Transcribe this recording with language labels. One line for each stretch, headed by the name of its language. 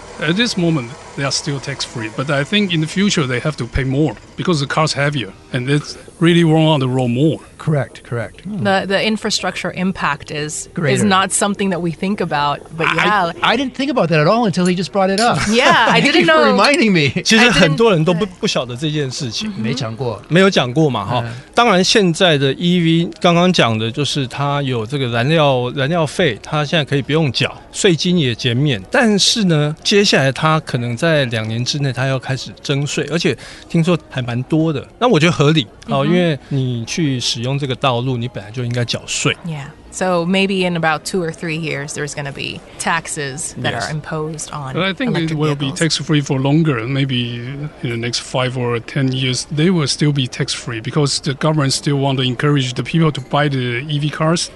English: At this moment, they are still tax-free. But I think in the future, they have to pay more because the car's heavier. And it's really wrong on the road more. Correct, correct.、 Hmm. The infrastructure impact is not something that we think about. But yeah. I didn't think about that at all until he just brought it up. Yeah, I didn't know. Thank you for reminding me.
Chinese: 其实很多人都不晓得这件事情。没讲过。没有讲过嘛。Uh-huh. 当然现在的 EV, 刚刚讲的就是它有这个燃料费，它现在可以不用缴，税金也减免。但是呢，接下来它可能在两年之内它要开始征税，而且听说还蛮多的。那我觉得合理。Mm-hmm. 因为你去使用这个道路，你本来就应该缴税。
English: Yeah, so maybe in about 2 or 3 years, there's going to be taxes that、yes. are imposed on. But I think it will、 be tax-free for longer. Maybe in the next 5 or 10 years, they will still be tax-free because the government still want to encourage the people to buy the EV cars.、